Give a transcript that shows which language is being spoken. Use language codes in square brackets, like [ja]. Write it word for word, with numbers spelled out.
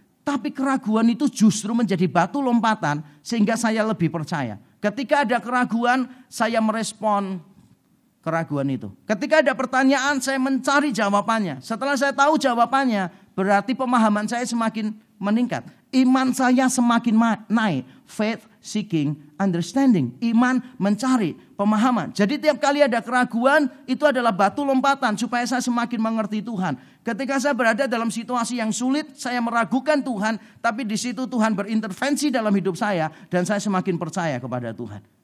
[id] Tapi keraguan itu justru menjadi batu lompatan sehingga saya lebih percaya. Ketika ada keraguan, saya merespon keraguan itu. Ketika ada pertanyaan, saya mencari jawabannya. Setelah saya tahu jawabannya, berarti pemahaman saya semakin meningkat. Iman saya semakin naik. [en] Faith seeking understanding. [id] Iman mencari pemahaman. Jadi tiap kali ada keraguan, itu adalah batu lompatan supaya saya semakin mengerti Tuhan. Ketika saya berada dalam situasi yang sulit, saya meragukan Tuhan, tapi di situ Tuhan berintervensi dalam hidup saya dan saya semakin percaya kepada Tuhan.